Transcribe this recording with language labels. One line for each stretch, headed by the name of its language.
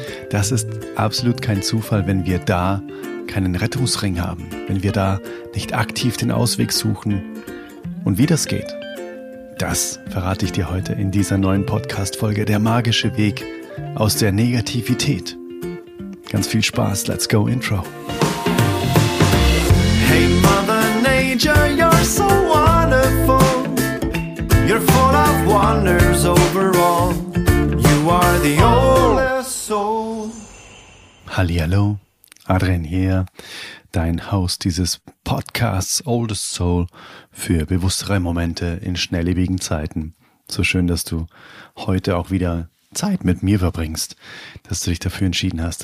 German: Das ist absolut kein Zufall, wenn wir da keinen Rettungsring haben, wenn wir da nicht aktiv den Ausweg suchen. Und wie das geht, das verrate ich dir heute in dieser neuen Podcast-Folge Der magische Weg aus der Negativität. Ganz viel Spaß,
English: let's go
German: Intro.
English: Hey Mother Nature, you're so wonderful. You're full of wonders overall. You are the oldest soul.
German: Hallihallo. Adrian hier, dein Host dieses Podcasts Oldest Soul für bewusstere Momente in schnelllebigen Zeiten. So schön, dass du heute auch wieder Zeit mit mir verbringst, dass du dich dafür entschieden hast.